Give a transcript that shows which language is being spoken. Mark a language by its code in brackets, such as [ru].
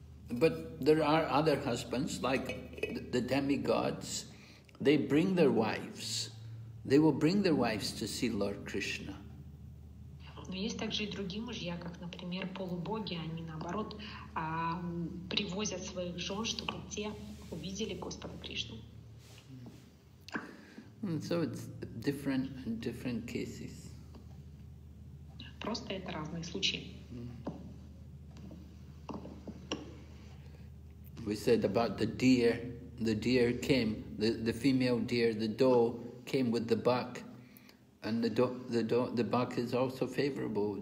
[en] But there are other husbands, like the demigods, they bring their wives. They will bring their wives to see Lord Krishna. [ru] Но есть также и другие мужья, как, например, полубоги, они наоборот привозят своих жен, чтобы те увидели Господа Кришну. [en] And so it's different cases. [ru] Просто это разные случаи. [en] We said about the deer came, the female deer, the doe came with the buck, and the buck is also favorable.